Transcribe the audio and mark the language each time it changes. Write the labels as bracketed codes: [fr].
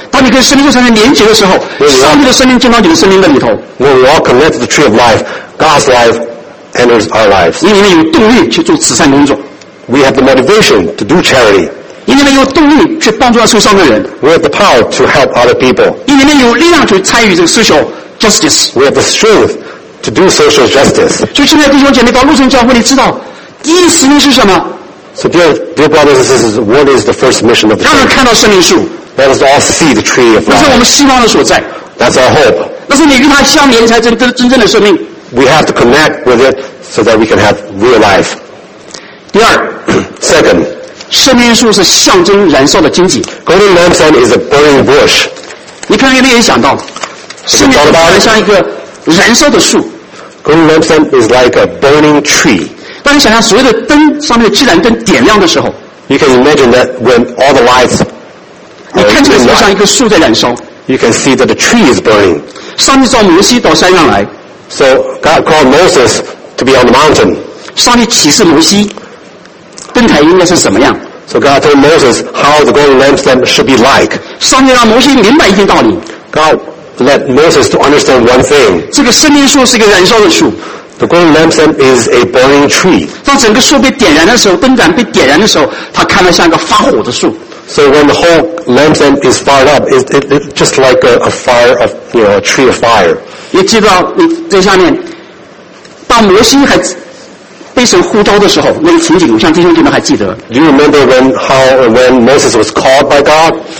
[zh] 当你跟生命树产生连结的时候，上帝的生命进到你的生命的里头。 [en] When we all connect to the tree of life, God's life enters our lives. [zh] 你里面有动力去做慈善工作。 [en] We have the motivation to do charity. [zh] 你里面有动力去帮助受伤的人。 [en] We have the power to help other people. [zh] 你里面有力量去参与这个 social justice. [en] We have the strength to do social justice. [zh] 就现在弟兄姐妹到路程教会，你知道第一使命是什么？ [en] So dear brothers and sisters, what is the first mission of the church? [zh] 让人看到生命树。 [en] Let us all see the tree of life. [zh] 那是我们希望的所在。 [en] That's our hope. [zh] 那是你与它相连才真正的生命。 [en] We have to connect with it so that we can have real life. [zh] 第二 [en] ，Second， [zh] 生命树是象征燃烧的荆棘。 [en] Golden lampstand is a burning bush. [zh] 你看有没有想到，生命树像一个燃烧的树。 [en] Golden lampstand is like a burning tree. [zh] 当你想象所有的灯上面的自然灯点亮的时候， [en] you can imagine that when all the lights are in light, [zh] 你看起来就像一棵树在燃烧。 [en] You can see that the tree is burning. [zh] 上帝召摩西到山上来。 [en] So God called Moses to be on the mountain. [zh] 上帝启示摩西，灯台应该是什么样。 [en] So God told Moses how the golden lampstand should be like. [zh] 上帝让摩西明白一件道理。 [en] God led Moses to understand one thing. [zh] 这个生命树是一个燃烧的树。 [en] The golden lampstand is a burning tree. [zh] 当整个树被点燃的时候，灯杆被点燃的时候，它看得像一个发火的树。 [en] So when the whole lampstand is fired up, it's just like a fire of, you know, a tree of fire. [zh] 你记得你在下面，当摩西还被神呼召的时候，那个情景，我想弟兄姐妹还记得。 [en] Do you remember when Moses was called by God?